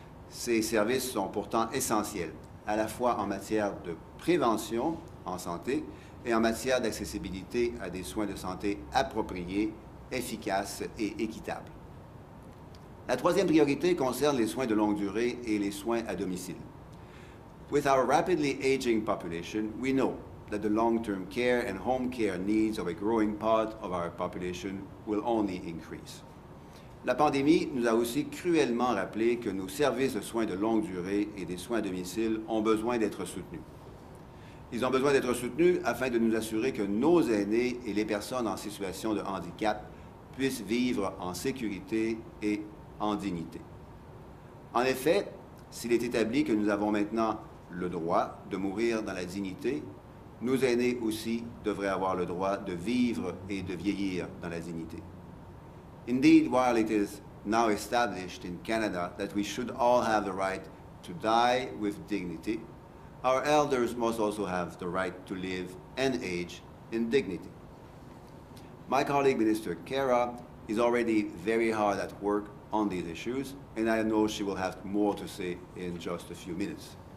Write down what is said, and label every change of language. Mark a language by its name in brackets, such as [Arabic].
[French] Ces services sont pourtant essentiels, à la fois en matière de prévention en santé et en matière d'accessibilité à des soins de santé appropriés, efficaces et équitables. La troisième priorité concerne les soins de longue durée et les soins à domicile. [English] With our rapidly aging population, we know that the long-term care and home care needs of a growing part of our population will only increase. [French] La pandémie nous a aussi cruellement rappelé que nos services de soins de longue durée et des soins à domicile ont besoin d'être soutenus. Ils ont besoin d'être soutenus afin de nous assurer que nos aînés et les personnes en situation de handicap puissent vivre en sécurité et en dignité. En effet, s'il est établi que nous avons maintenant le droit de mourir dans la dignité, nos aînés aussi devraient avoir le droit de vivre et de vieillir dans la dignité. [English] Indeed, while it is now established in Canada that we should all have the right to die with dignity, our elders must also have the right to live and age in dignity. My colleague, Minister Kara, is already very hard at work on these issues, and I know she will have more to say in just a few minutes.